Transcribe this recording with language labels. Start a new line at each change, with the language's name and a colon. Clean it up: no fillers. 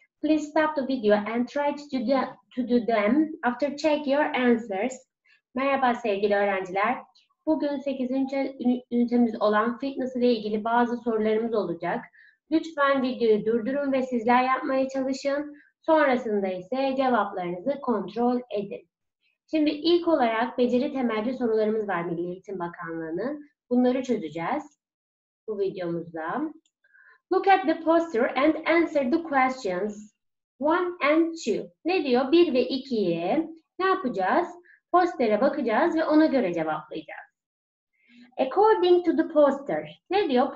English: Please stop the video and try to do them after check your answers.
Turkish: Merhaba sevgili öğrenciler. Bugün 8. ünitemiz olan fitness ile ilgili bazı sorularımız olacak. Lütfen videoyu durdurun ve sizler yapmaya çalışın. Sonrasında ise cevaplarınızı kontrol edin. Şimdi ilk olarak beceri temelli sorularımız var Milli Eğitim Bakanlığı'nın. Bunları çözeceğiz. Bu videomuzda.
English: Look at the poster and answer the questions. 1 and 2.
Turkish: Ne diyor? 1 ve 2'yi ne yapacağız? Postere bakacağız ve ona göre cevaplayacağız.
English: According to the poster.
Turkish: Ne diyor?